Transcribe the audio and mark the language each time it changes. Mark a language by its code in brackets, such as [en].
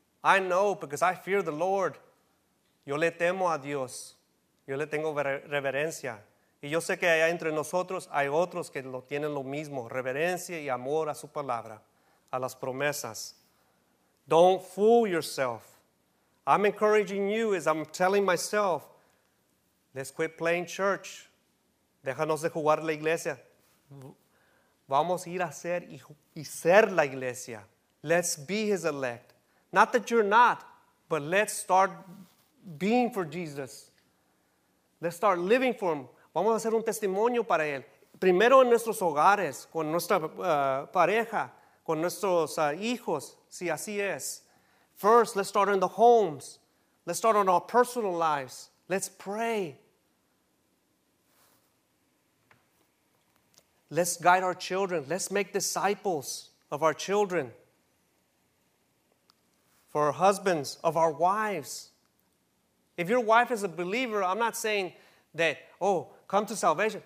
[en] I know because I fear the Lord. [es] Yo le temo a Dios. Yo le tengo reverencia. Y yo sé que allá entre nosotros hay otros que lo tienen lo mismo. Reverencia y amor a su palabra, a las promesas. [en] Don't fool yourself. I'm encouraging you as I'm telling myself. Let's quit playing church. [es] Déjanos de jugar la iglesia. Vamos a ir a ser y ser la iglesia. [en] Let's be His elect. Not that you're not, but let's start being for Jesus. Let's start living for Him. [es] Vamos a hacer un testimonio para Él. Primero en nuestros hogares, con nuestra pareja, con nuestros hijos, si así es. [en] First, let's start in the homes. Let's start on our personal lives. Let's pray. Let's guide our children. Let's make disciples of our children. For our husbands, of our wives. If your wife is a believer, I'm not saying that, oh, come to salvation.